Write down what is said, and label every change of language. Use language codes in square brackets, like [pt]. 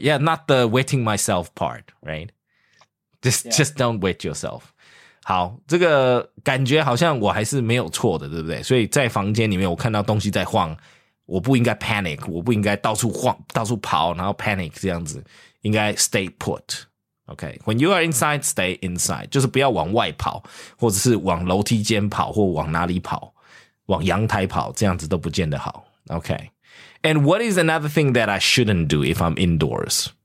[en] Yeah, not the wetting myself part, right? Just don't wet yourself. [zh] 好，这个感觉好像我还是没有错的，对不对？所以在房间里面，我看到东西在晃，我不应该 panic， 我不应该到处晃到处跑然后 panic 这样子，应该 [en] stay put。 [zh] OK， [en] when you are inside stay inside， [zh] 就是不要往外跑或者是往楼梯间跑或往哪里跑，往阳台跑，这样子都不见得好。 [en] OK， and what is another thing that I shouldn't do if I'm indoors？